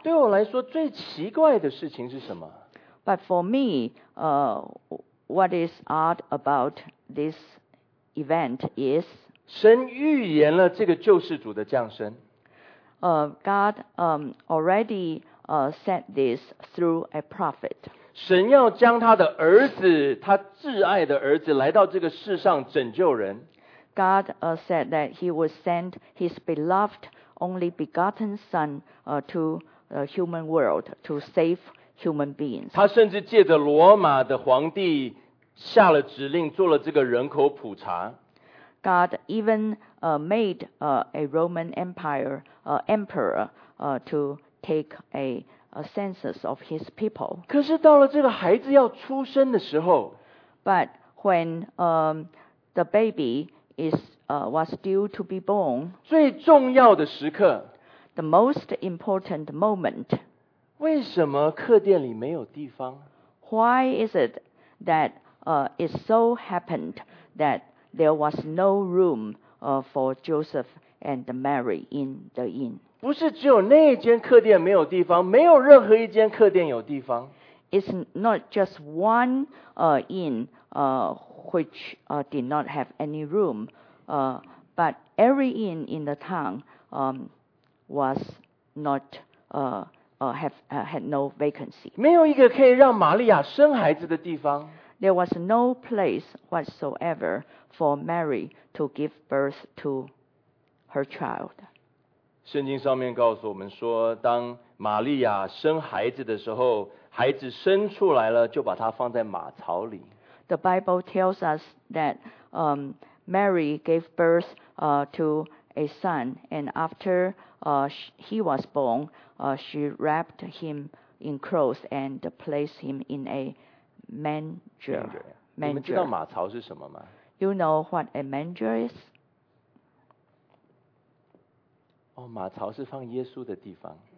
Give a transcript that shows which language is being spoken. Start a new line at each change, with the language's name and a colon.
Chinese: 对我来说最奇怪的事情是什么？
English: But for me, what is odd about this event is
Chinese: 神预言了这个救世主的降生。
English: God already said this through a prophet.
Chinese: 神要将他的儿子，他挚爱的儿子，来到这个世上拯救人。
English: God said that He would send His beloved, only begotten Son to the human world to save human beings.
Chinese: 他甚至借着罗马的皇帝下了指令，做了这个人口普查。
English: God even made a Roman Empire emperor to take a census of his people.
Chinese: 可是到了这个孩子要出生的时候
English: ，But when the baby is was due to be born，
Chinese: 最重要的时刻
English: ，The most important moment，
Chinese: 为什么客店里没有地方
English: ？Why is it that it so happened that there was no room for Joseph and Mary in the inn.
Chinese: 不是只有那间客店没有地方，没有任何一间客店有地方。
English: It's not just one inn which did not have any room, but every inn in the town was not had no vacancy.
Chinese: 没有一个可以让玛利亚生孩子的地方。
English: There was no place whatsoever for Mary to give birth to her child.
Chinese: 圣经上面告诉我们说，当玛利亚生孩子的时候，孩子生出来了，就把他放在马槽里。
English: The Bible tells us that Mary gave birth to a son, and after he was born, she wrapped him in clothes and placed him in a manger.
Chinese: 你们知道马槽是什么吗？
English: You know what a manger is?
Chinese: 哦，马槽是放耶稣的地方。